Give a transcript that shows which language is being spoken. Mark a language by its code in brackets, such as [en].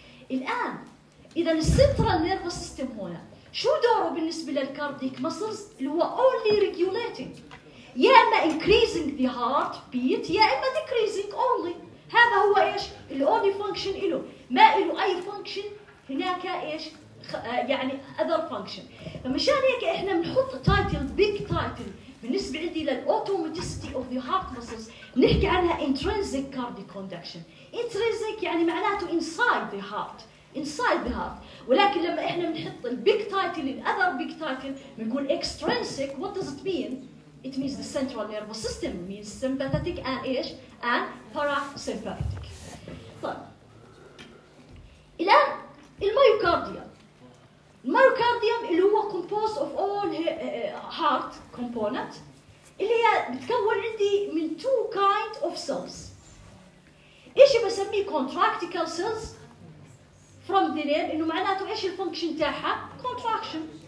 [ar] الآن إذا الـ central nervous system هنا شو دوره بالنسبة للcardiac muscles اللي هو [en] only regulating [ar] يا إما [en] increasing the heartbeat [ar] يا إما [en] decreasing only. [ar] هذا هو إيش الـ [en] only function [ar] إله، ما إله أي function هناك إيش يعني [en] other function. [ar] فمشان هيك إحنا بنحط [en] title big title [ar] بالنسبة عندي [en] للautomaticity of the heart muscles [ar] نحكي عنها [en] intrinsic cardiac conduction. intrinsic [ar] يعني معناته [en] inside the heart inside the heart، [ar] ولكن لما إحنا بنحط [en] the big title the other big title بنقول extrinsic. what does it mean؟ it means the central nervous system means sympathetic and ايش and parasympathetic. [ar] طيب الآن الميوكارديوم الميوكارديوم اللي هو [en] composed of all heart component [ar] اللي هي بتكون عندي من [en] two kind of cells. [ar] إيش بسميه [en] contractile cells from the name [ar] إنه معناته إيش الفونكشن تاعها contraction.